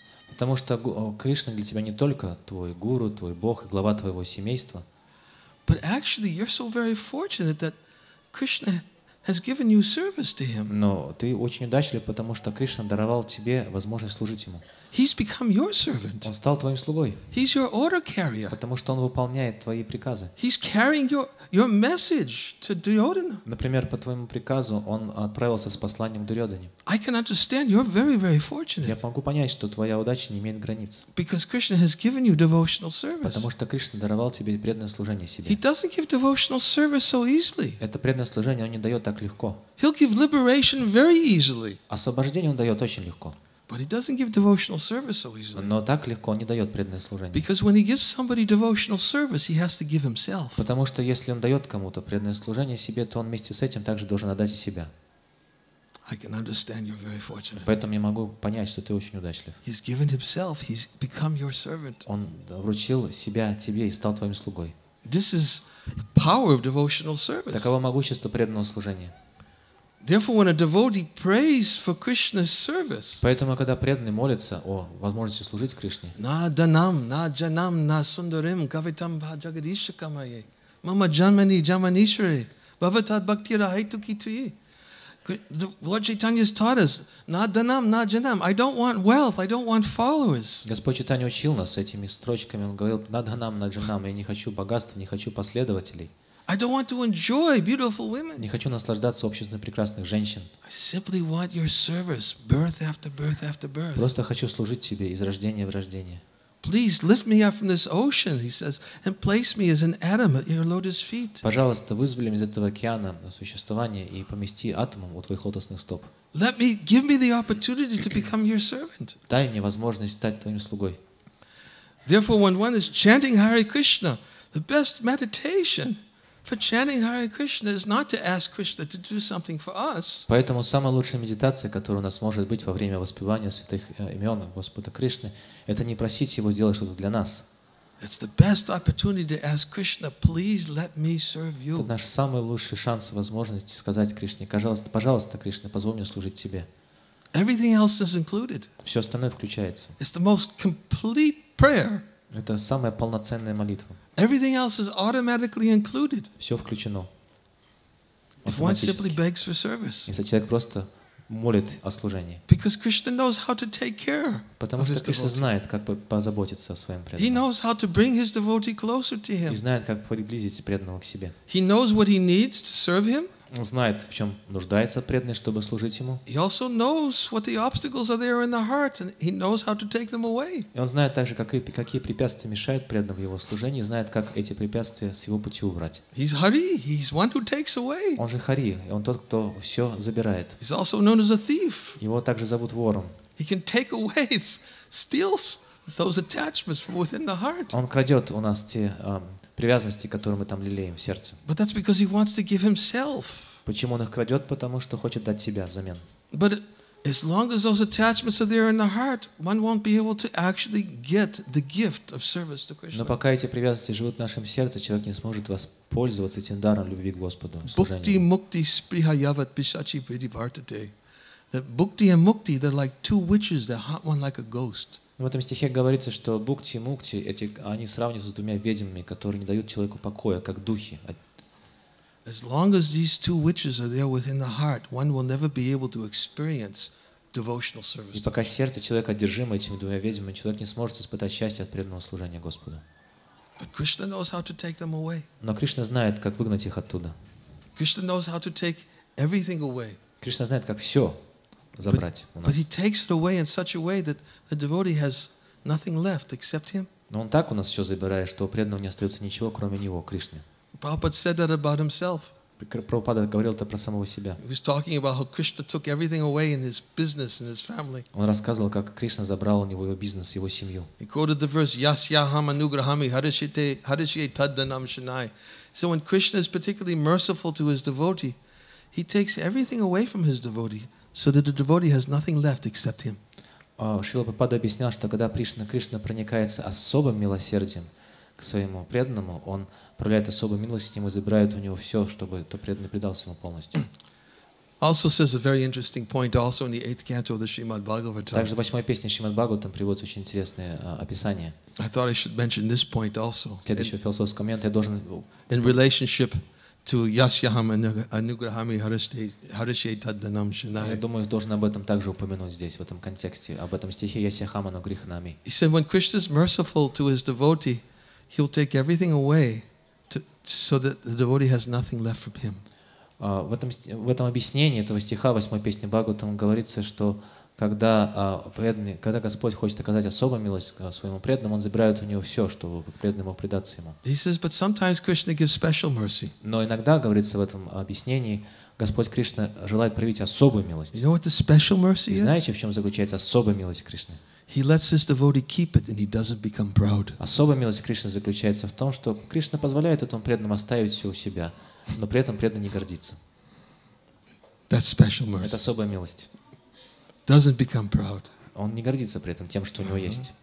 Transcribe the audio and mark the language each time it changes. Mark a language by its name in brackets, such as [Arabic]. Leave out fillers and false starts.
[Russian] Потому что Кришна для тебя не только твой гуру, твой бог и глава твоего семейства. [English] But actually, you're so very fortunate that Krishna has given you service to him. [Russian] Но ты очень удачлив, потому что Кришна даровал тебе возможность служить ему. [English] He's become your servant. [Russian] Он стал твоим слугой. [English] He's your order carrier. [Russian] Потому что он выполняет твои приказы. [English] He's carrying your message to Duryodhana. [Russian] Например, по твоему приказу он отправился с посланием Дурьодхане. [English] I can understand you're very, very fortunate. [Russian] Я могу понять, что твоя удача не имеет границ. [English] Because Krishna has given you devotional service. [Russian] Потому что Кришна даровал тебе преданное служение себе. [English] He doesn't give devotional service so easily. [Russian] Это преданное служение он не дает так легко. [English] He'll give liberation very easily. [Russian] Освобождение он дает очень легко. [English] But he doesn't give devotional service so easily. [Russian] Но так легко он не дает преданное служение. [English] Because when he gives somebody devotional service, he has to give himself. [Russian] Потому что если он дает кому-то преданное служение себе, то он вместе с этим также должен отдать и себя. [English] I can understand you're very fortunate. [Russian] Поэтому я могу понять, что ты очень удачлив. [English] He's given himself. He's become your servant. [Russian] Он вручил себя тебе и стал твоим слугой. [English] This is the power of devotional service. [Russian] Таково могущество преданного служения. [English] Therefore, when a devotee prays for Krishna's service, [Russian] поэтому когда преданный молится о возможности служить Кришне, [Sanskrit] на данам, на джанам, на сундарим, кавитам бхаджагадиша камае, мама джанмани джаманишри, бхаватад бхактира хайтуки туи. [English] Lord Chaitanya's taught us, [Sanskrit] на данам, на джанам. [English] I don't want wealth. I don't want followers. [Russian] Господь Чайтанья учил нас этими строчками. Он говорил, [Sanskrit] на данам, на джанам. [Russian] Я не хочу богатства, не хочу последователей. [English] I don't want to enjoy beautiful women. [Russian] Не хочу наслаждаться обществом прекрасных женщин. [English] I simply want your service, birth after birth after birth. [Russian] Просто хочу служить тебе из рождения в рождение. [English] Please lift me up from this ocean, he says, and place me as an atom at your lotus feet. [Russian] Пожалуйста, вызволи меня из этого океана существования и помести атомом у твоих лотосных стоп. [English] Let me give me the opportunity to become your servant. [Russian] Дай мне возможность стать твоим слугой. [English] Therefore, when one is chanting Hare Krishna, the best meditation. For chanting Hare Krishna is not to ask Krishna to do something for us. [Russian] Поэтому самая лучшая медитация, которая у нас может быть во время воспевания святых имен Господа Кришны, это не просить его сделать что-то для нас. [English] It's the best opportunity to ask Krishna, please let me serve you. [Russian] Это наш самый лучший шанс и возможность сказать Кришне: пожалуйста, пожалуйста, Кришна, позволь мне служить тебе. [English] Everything else is included. [Russian] Все остальное включается. [English] It's the most complete prayer. [Russian] Это самая полноценная молитва. [English] Everything else is automatically included. [Russian] Все включено. [English] If one simply begs for service. [Russian] Если человек просто молит о служении. [English] Because Krishna knows how to take care. [Russian] Потому что Кришна знает, как позаботиться о своем преданном. [English] He knows how to bring his devotee closer to him. [Russian] И знает, как приблизить преданного к себе. [English] He knows what he needs to serve him. [Russian] Он знает, в чем нуждается преданный, чтобы служить ему. [English] He also knows what the obstacles are there in the heart, and he knows how to take them away. [Russian] И он знает также, какие препятствия мешают преданному в его служении, знает, как эти препятствия с его пути убрать. [English] He's Hari. He's one who takes away. [Russian] Он же Хари, и он тот, кто все забирает. [English] He's also known as a thief. [Russian] Его также зовут вором. [English] He can take away, steals those attachments from within the heart. [Russian] Он крадет у нас те привязанности, которые мы там лелеем в сердце. [English] But that's because he wants to give himself. [Russian] Почему он их крадет? Потому что хочет дать себя взамен. [English] But As long as those attachments are there in the heart, one won't be able to actually get the gift of service to Krishna. [Russian] Но пока эти привязанности живут в нашем сердце, человек не сможет воспользоваться этим даром любви к Господу. [Sanskrit] Bhukti mukti spriha yavat pishachi pridivartate. [English] That bhukti and mukti, they're like two witches that hunt one like a ghost. [Russian] В этом стихе говорится, что бхукти и мукти, эти, они сравниваются с двумя ведьмами, которые не дают человеку покоя, как духи. [English] As long as these two witches are there within the heart, one will never be able to experience devotional service. [Russian] И пока сердце человека одержимо этими двумя ведьмами, человек не сможет испытать счастье от преданного служения Господу. [English] But Krishna knows how to take them away. [Russian] Но Кришна знает, как выгнать их оттуда. [English] Krishna knows how to take everything away. [Russian] Кришна знает, как все забрать у нас. [English] But he takes it away in such a way that the devotee has nothing left except him. [Russian] Но он так у нас все забирает, что у преданного не остается ничего, кроме него, Кришны. [English] Prabhupada said that about himself. [Russian] Прабхупада говорил это про самого себя. [English] He was talking about how Krishna took everything away in his business and his family. [Russian] Он рассказывал, как Кришна забрал у него его бизнес, его семью. [English] He quoted the verse [Sanskrit] Yasyaham Anugrahami Harishite Harishye Taddanam Shanai. [English] So when Krishna is particularly merciful to his devotee, he takes everything away from his devotee, so that the devotee has nothing left except him. [Russian] Шрила Прабхупада объяснял, что когда Кришна проникается особым милосердием к своему преданному, он проявляет особую милость с ним и забирает у него все, чтобы тот преданный предался ему полностью. [English] Also says a very interesting point also in the 8th canto of the Srimad Bhagavatam. [Russian] Также в 8-й песне Шримад Бхагаватам приводится очень интересное описание. [English] I thought I should mention this point also. [Russian] Следующий философский момент я должен... [English] In relationship to [Sanskrit] Yasyaham Anugrahami Harishye Taddanam Shanai. [Russian] Я думаю, должен об этом также упомянуть здесь, в этом контексте, об этом стихе [Sanskrit] Yasyaham Anugrahami. [English] He said, when Krishna is merciful to his devotee, he'll take everything away so that the devotee has nothing left from him. [Russian] В этом объяснении этого стиха, 8-й песни Бхагаватам, говорится, что когда Господь хочет оказать особую милость своему преданному, он забирает у него все, чтобы преданный мог предаться ему. [English] He says, but sometimes Krishna gives special mercy. [Russian] Но иногда, говорится в этом объяснении, Господь Кришна желает проявить особую милость. [English] You know what the special mercy is? [Russian] И знаете, в чем заключается особая милость Кришны? [English] He lets his devotee keep it and he doesn't become proud. [Russian] Особая милость Кришны заключается в том, что Кришна позволяет этому преданному оставить все у себя, но при этом преданный не гордится. [English] That's special mercy. [Russian] Это особая милость. [English] Doesn't become proud. [Russian] Он не гордится при этом тем, что у него есть.